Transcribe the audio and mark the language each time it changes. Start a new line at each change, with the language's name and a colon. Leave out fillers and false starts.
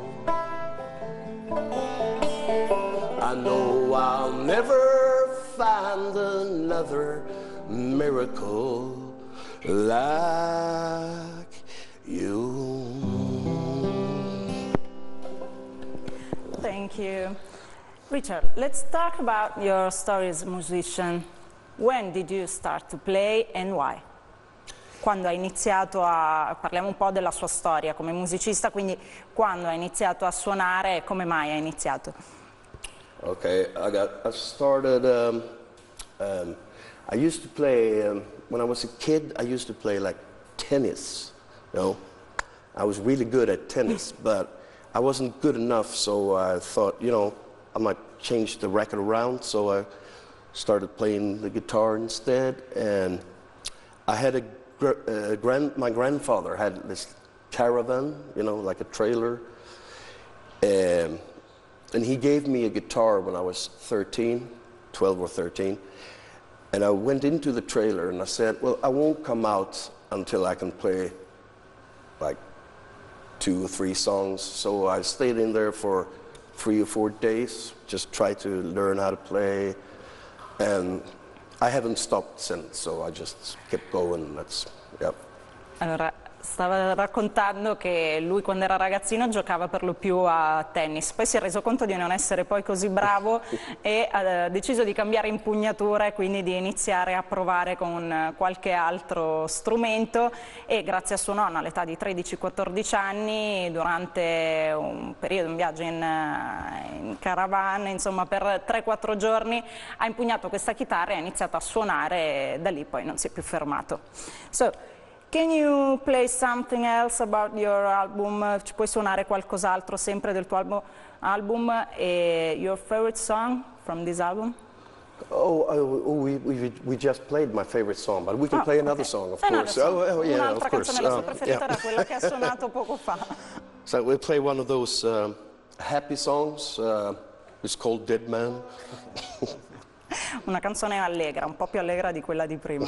English: I know I'll never find another miracle like you. Thank you. Richard, let's talk about your story as a musician. When did you start to play and why?
Italian: Quando hai iniziato a... Parliamo un po' della sua storia come musicista, quindi quando hai iniziato a suonare e come mai hai iniziato?
English: Okay, I started... I used to play... when I was a kid, I used to play like tennis, you know? I was really good at tennis, but I wasn't good enough, so I thought, you know, I might change the racket around, so I started playing the guitar instead. And I had my grandfather had this caravan, you know, like a trailer, and he gave me a guitar when I was 12 or 13, and I went into the trailer and I said, well, I won't come out until I can play like 2 or 3 songs. So I stayed in there for 3 or 4 days, just try to learn how to play, and I haven't stopped since, so I just kept going. Yep.
Italian: Allora, stava raccontando che lui quando era ragazzino giocava per lo più a tennis, poi si è reso conto di non essere poi così bravo e ha deciso di cambiare impugnatura e quindi di iniziare a provare con qualche altro strumento, e grazie a suo nonno all'età di 13-14 anni, durante un periodo, un viaggio in caravan, insomma per 3-4 giorni, ha impugnato questa chitarra e ha iniziato a suonare, e da lì poi non si è più fermato.
English: So, can you play something else about your album?
Italian: Ci puoi suonare qualcos'altro sempre del tuo album?
English: Your favorite song from this album? We just played my favorite song, but we can play another song, of course. Of course.
Italian: Un'altra canzone, la sua preferita, era quella che ha suonato poco fa.
English: So we'll play one of those happy songs. It's called Dead Man.
Italian: Una canzone allegra, un po' più allegra di quella di prima.